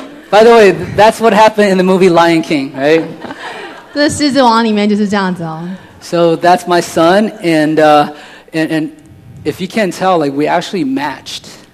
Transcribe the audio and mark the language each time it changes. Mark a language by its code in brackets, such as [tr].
[en] By the way, that's what happened in the movie Lion King, right? [zh] 这狮子王里面就是这样子哦。So [en] that's my son, and if you can't tell, like we actually matched.